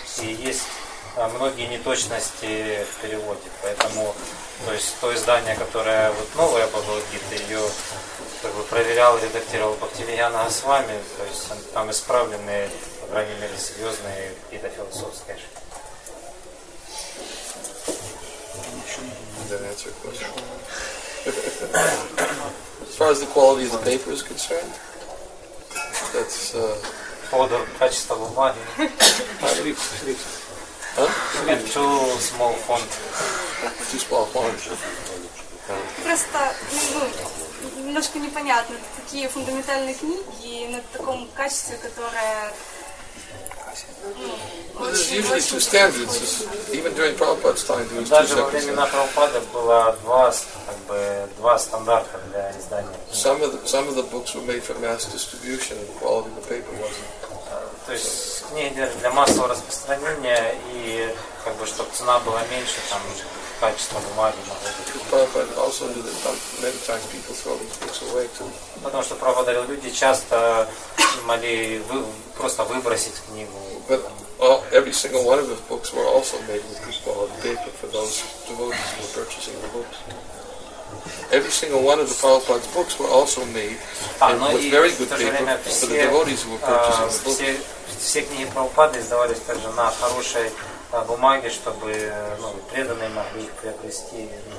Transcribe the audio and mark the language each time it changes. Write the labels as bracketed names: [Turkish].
[Russian] И есть многие неточности в переводе. Поэтому то есть то издание, которое вот новое Бхагавад Гита, ее как бы проверял, редактировал Бхактивиньяна Госвами, то есть там исправлены, по крайней мере, серьезные какие-то философские ошибки. [English] As far as the quality of the paper is concerned, that's... [Russian] Order качества бумаги. Шрифт. Huh? [English] Too small font. [Russian] Просто, ну, немножко непонятно, такие фундаментальные книги на таком качестве, которое... Даже во времена Прабхупады было два стандарта для издания. [English] Some of the books were made for mass distribution, and the quality of the paper wasn't. [Russian] То есть книги для массового распространения и как бы чтобы цена была меньше, там качество бумаги. [English] Prabhupada also knew that many times people throw these books away too. [Russian] Потому что Прабхупада говорил, люди часто могли просто выбросить книгу. [English] But every single one of his books were also made with good quality paper for those devotees who were purchasing the books. Every single one of the Prabhupada's books were also made with very good paper for the devotees who were purchasing the books. [Russian] Все книги Прабхупады издавались также на хорошей бумаге, чтобы преданные могли их приобрести.